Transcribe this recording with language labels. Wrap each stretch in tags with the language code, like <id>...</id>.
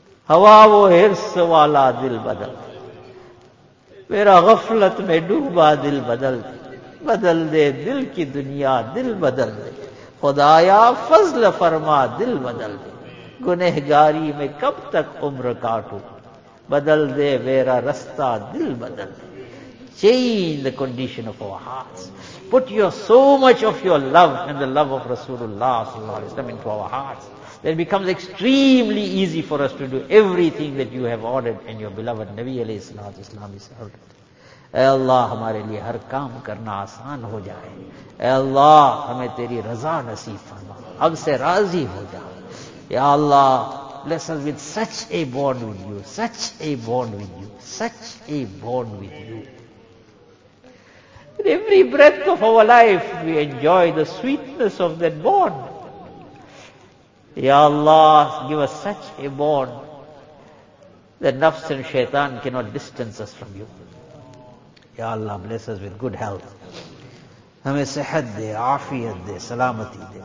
<ur>ہوا وہ حرص والا دل بدل دے، میرا غفلت میں ڈوبا دل بدل دے، بدل دے دل کی دنیا دل بدل دے، خدایا فضل فرما دل بدل دے، گنہگاری میں کب تک عمر کاٹوں، بدل دے میرا رستہ دل بدل دے.</ur> <en>Change the condition of our hearts. Put your so much of your love and the love of Rasulullah sallallahu alaihi wasallam into our hearts. Then it becomes extremely easy for us to do everything that you have ordered and your beloved Nabi alayhi sallallahu alaihi wasallam has ordered.</en> <ur>اے اللہ ہمارے لیے ہر کام کرنا آسان ہو جائے، اے اللہ ہمیں تیری رضا نصیب فرما، ہم سے راضی ہو جائے، یا اللہ</ur> <en>bless us with such a bond with you, such a bond with you, such a bond with you. In every breath of our life we enjoy the sweetness of that bond. یا اللہ give us such a bond that nafs and shaitan cannot distance us from you. یا اللہ bless us with good health.</en> <ur>ہمیں صحت دے، عافیت دے، سلامتی دے.</ur>